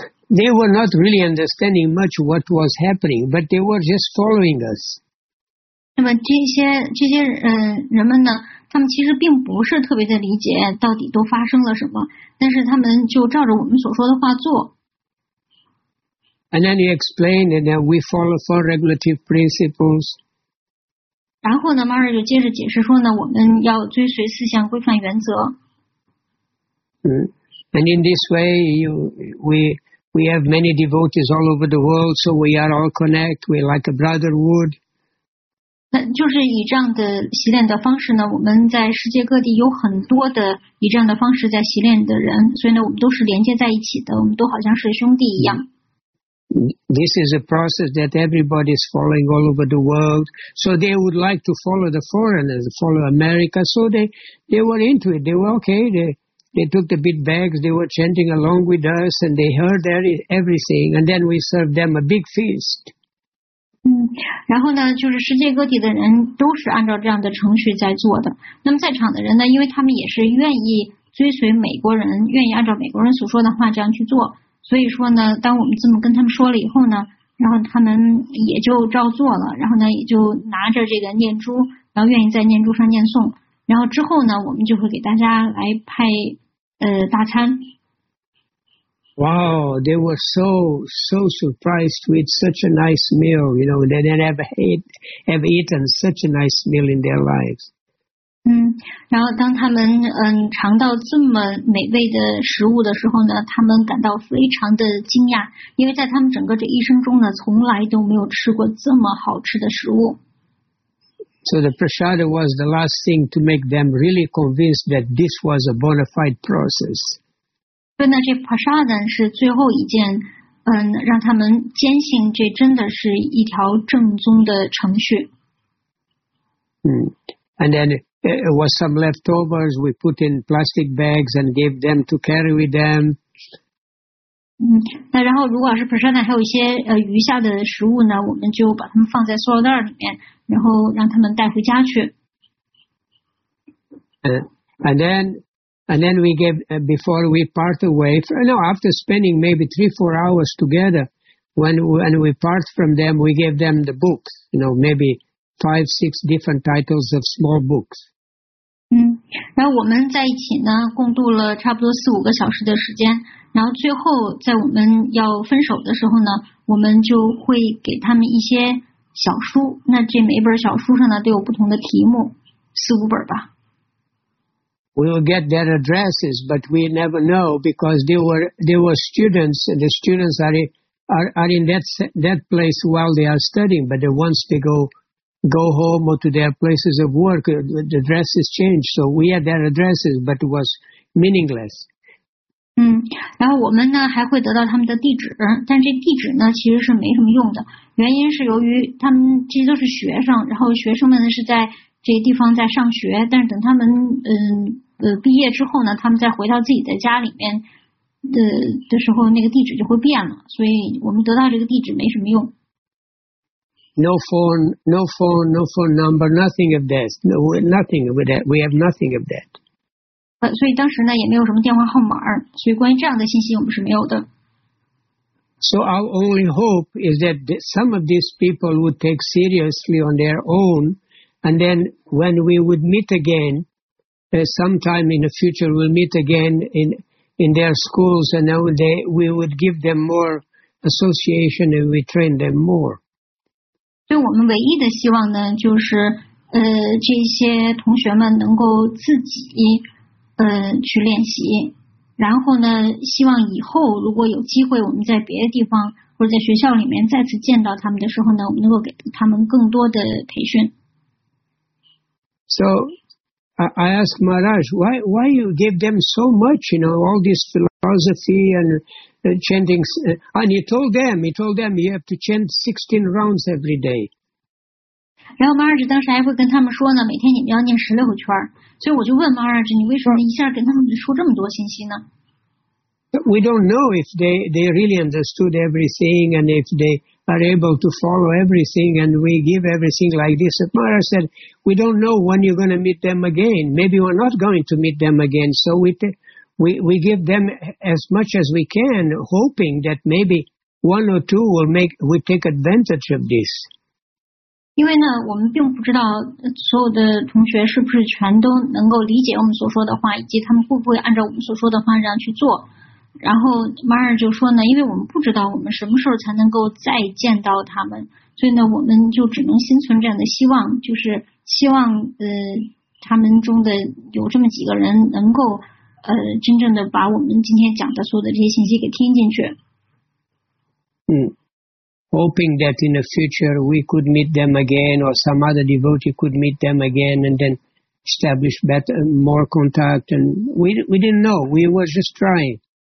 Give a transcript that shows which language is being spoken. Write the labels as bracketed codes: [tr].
[en] They were not really understanding much what was happening, but they were just following us. [zh] 那么这些人们呢？他们其实并不是特别的理解到底都发生了什么，但是他们就照着我们所说的话做。 [en] And then he explained that we follow four regulative principles. [zh] 然后呢 ，Mary 就接着解释说呢，我们要追随四项规范原则。 [en] And in this way, we have many devotees all over the world, so we are all connect. We're like a brotherhood. [zh] 那就是以这样的习练的方式呢，我们在世界各地有很多的以这样的方式在习练的人，所以呢，我们都是连接在一起的，我们都好像是兄弟一样。 [en] This is a process that everybody is following all over the world. So they would like to follow the foreigners, follow America. So they were into it. They were okay. They took the big bags. They were chanting along with us and they heard everything. And then we served them a big feast. [zh] 嗯，然后呢，就是世界各地的人都是按照这样的程序在做的。那么在场的人呢，因为他们也是愿意追随美国人，愿意按照美国人所说的话这样去做。所以说呢，当我们这么跟他们说了以后呢，然后他们也就照做了，然后呢也就拿着这个念珠，然后愿意在念珠上念诵，然后之后呢，我们就会给大家来派大餐。 [en] Wow, they were so surprised with such a nice meal. You know, they never have eaten such a nice meal in their lives. [zh] 嗯，然后当他们尝到这么美味的食物的时候呢，他们感到非常的惊讶，因为在他们整个这一生中呢，从来都没有吃过这么好吃的食物。 [en] So the prasad was the last thing to make them really convinced that this was a bona fide process. [zh] 所以呢，这 prasad 是最后一件让他们坚信这真的是一条正宗的程序。 [en] 嗯 ，and then。 It was some leftovers we put in plastic bags and gave them to carry with them. [zh] 嗯，那然后如果是 prasad 还有一些余下的食物呢，我们就把它们放在塑料袋里面，然后让他们带回家去。 [en] And then we gave before we part away. No, after spending maybe 3-4 hours together, when we part from them, we gave them the books. You know, maybe 5-6 different titles of small books. [zh] 然后我们在一起呢，共度了差不多4-5个小时的时间。然后最后在我们要分手的时候呢，我们就会给他们一些小书。那这每一本小书上呢，都有不同的题目，4-5本吧。 [en] We will get their addresses, but we never know because they were students, and the students are in that place while they are studying. But once they go home or to their places of work, the addresses change. So we had their addresses, but it was meaningless. [zh] 然后我们呢还会得到他们的地址，但这地址呢其实是没什么用的。原因是由于他们这些都是学生，然后学生们是在这个地方在上学，但是等他们毕业之后呢，他们再回到自己的家里面的时候，那个地址就会变了，所以我们得到这个地址没什么用。 [en] No phone number, nothing of that. We have nothing of that. [zh] 所以当时呢也没有什么电话号码，所以关于这样的信息我们是没有的。 [en] So our only hope is that some of these people would take seriously on their own, and then when we would meet again, sometime in the future we'll meet again in their schools, and then we would give them more association and we train them more. [zh] 所以我们唯一的希望呢，就是这些同学们能够自己去练习，然后呢，希望以后如果有机会，我们在别的地方或者在学校里面再次见到他们的时候呢，我们能够给他们更多的培训。 [en] So I ask Maharaj, why you give them so much? You know, all this philosophy and chanting, and he told them you have to chant 16 rounds every day. [zh] 然后 Maharaj 当时还会跟他们说呢，每天你们要念16圈。所以我就问 Maharaj, 你为什么一下跟他们说这么多信息呢？ [en] We don't know if they really understood everything and if they are able to follow everything and we give everything like this. But Maharaj said, we don't know when you're going to meet them again. Maybe we're not going to meet them again. So we give them as much as we can, hoping that maybe one or two will take advantage of this. [zh] 因为呢，我们并不知道所有的同学是不是全都能够理解我们所说的话，以及他们会不会按照我们所说的话这样去做。然后 Mara 就说呢，因为我们不知道我们什么时候才能够再见到他们，所以呢我们就只能心存这样的希望，就是希望他们中的有这么几个人能够真正的把我们今天讲的所有的这些信息给听进去。 [en] 嗯， hoping that in the future we could meet them again or some other devotee could meet them again and then establish better more contact, and we didn't know, we were just trying.